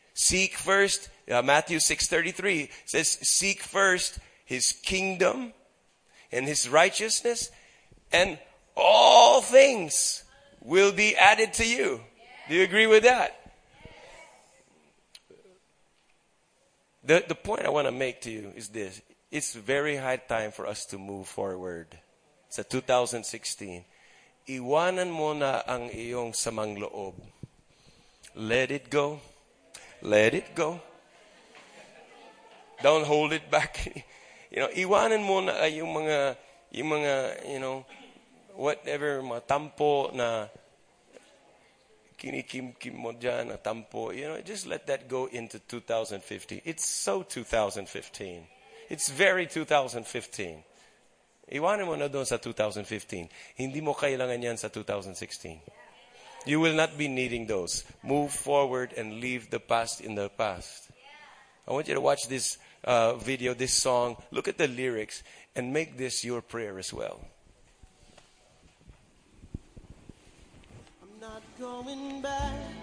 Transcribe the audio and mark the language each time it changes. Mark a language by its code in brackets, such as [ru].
[en] Seek first, Matthew 6:33 says, seek first His kingdom and His righteousness, and all things will be added to you. Do you agree with that? The point I want to make to you is this. It's very high time for us to move forward. [tl] Sa 2016, iwanan mo na ang iyong samang loob. [en] Let it go. Let it go. Don't hold it back. You know, [tl] iwanan mo na yung mga, [en] you know, whatever, [tl] mga tampo na kinikim-kim mo dyan, na tampo. [en] You know, just let that go into 2015. It's so 2015. It's very 2015. [tl] Iwanan mo na doon sa 2015. Hindi mo kailangan yan sa 2016. [en] You will not be needing those. Move forward and leave the past in the past. I want you to watch this video, this song. Look at the lyrics and make this your prayer as well. I'm not going back.